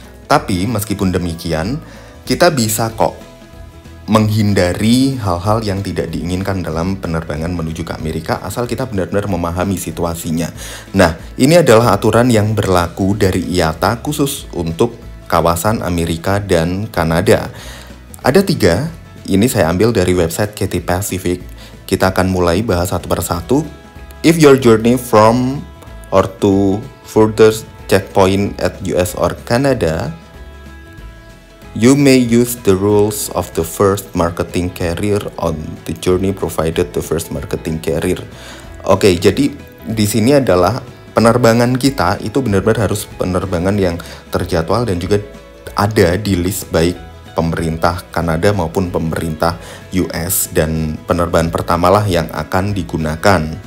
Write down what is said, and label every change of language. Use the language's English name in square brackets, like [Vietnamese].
[Indonesian] Tapi meskipun demikian, kita bisa kok menghindari hal-hal yang tidak diinginkan dalam penerbangan menuju ke Amerika asal kita benar-benar memahami situasinya. Nah, ini adalah aturan yang berlaku dari IATA khusus untuk kawasan Amerika dan Kanada. Ada tiga, ini saya ambil dari website Cathay Pacific. Kita akan mulai bahas satu per satu. [English] If your journey from or to further checkpoint at US or Canada, you may use the rules of the first marketing carrier on the journey provided the first marketing carrier. [Indonesian] Oke, jadi di sini adalah penerbangan kita itu benar-benar harus penerbangan yang terjadwal dan juga ada di list baik pemerintah Kanada maupun pemerintah US, dan penerbangan pertamalah yang akan digunakan.